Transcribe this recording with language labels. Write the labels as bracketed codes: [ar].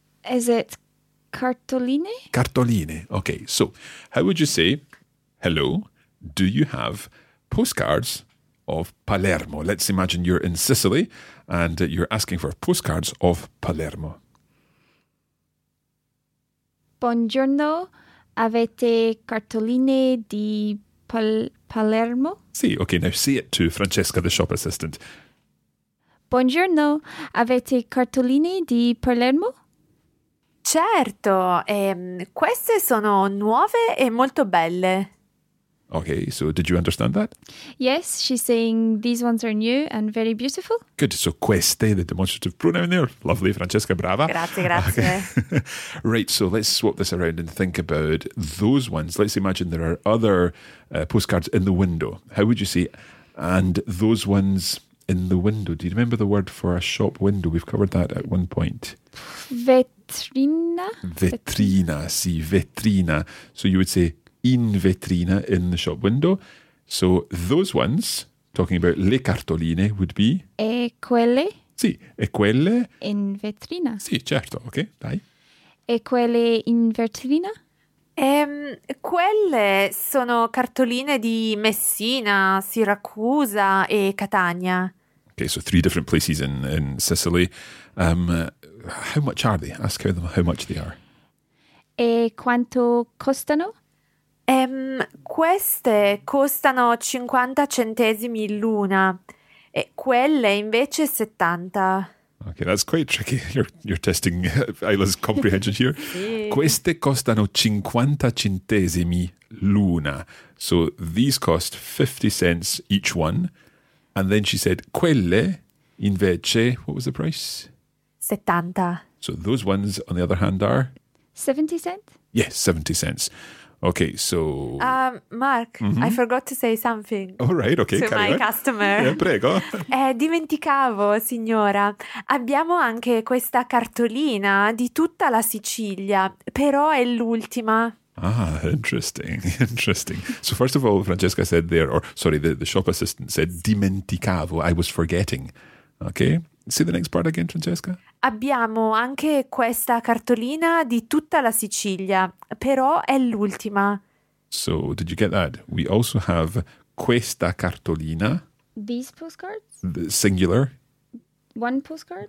[en] Is it cartoline? [it] Cartoline. [en] Okay, so how would you say, hello, do you have postcards of Palermo? Let's imagine you're in Sicily and you're asking for postcards of Palermo. [it] Buongiorno, avete cartoline di Palermo? [en] Sì, okay, now say it to Francesca, the shop assistant. [it] Buongiorno, avete cartoline di Palermo? Certo, queste sono nuove e molto belle. [en] Okay, so did you understand that? Yes, she's saying these ones are new and very beautiful. Good, so queste, the demonstrative pronoun there. Lovely, Francesca, brava. [it] Grazie, grazie. Okay. [en] Right, so let's swap this around and think about those ones. Let's imagine there are other postcards in the window. How would you say, and those ones in the window? Do you remember the word for a shop window? We've covered that at one point. [it] Vetrina? Vetrina, sì, vetrina. [en] So you would say [it] in vetrina, [en] in the shop window. So those ones, talking about le cartoline, would be? [it] E quelle? Sì, e quelle? In vetrina. Sì, certo, ok, dai. E quelle in vetrina? Quelle sono cartoline di Messina, Siracusa e Catania. [en] Ok, so three different places in Sicily. How much are they? Ask them how much they are. [it] E quanto costano? Queste costano 50 centesimi l'una e quelle invece 70. [en] Okay, that's quite tricky. You're testing Ayla's comprehension here. [it] Sì. Queste costano 50 centesimi l'una. [en] So these cost 50 cents each one. And then she said, [it] quelle invece, [en] what was the price? 70. So those ones, on the other hand, are? 70 cents? Yes, 70 cents. Okay, so... Mark, mm-hmm. I forgot to say something. All right, okay. To my customer. Yeah, prego. [it] Dimenticavo, signora. Abbiamo anche questa cartolina di tutta la Sicilia, però è l'ultima. [en] Ah, interesting, interesting. So first of all, Francesca said there, or sorry, the shop assistant said, dimenticavo, I was forgetting. Okay, say the next part again, Francesca. [it] Abbiamo anche questa cartolina di tutta la Sicilia, però è l'ultima. [en] So, did you get that? We also have [it] questa cartolina. [en] These postcards? The singular. One postcard?